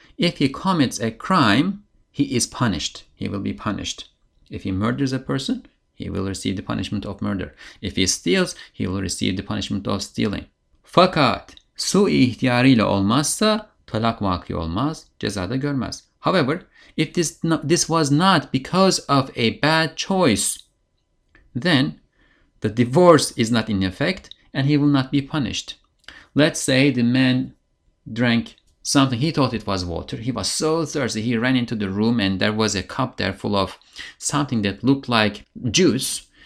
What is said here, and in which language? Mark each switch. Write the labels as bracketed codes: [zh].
[en] If he commits a crime, he is punished. He will be punished. If he murders a person, he will receive the punishment of murder. If he steals, he will receive the punishment of stealing. [tr] Fakat sui ihtiyarıyla olmazsa talak vaki olmaz, ceza da görmez. [en] However, if this was not because of a bad choice, then the divorce is not in effect and he will not be punished. Let's say the man drank something, he thought it was water. He was so thirsty, he ran into the room and there was a cup there full of something that looked like juice.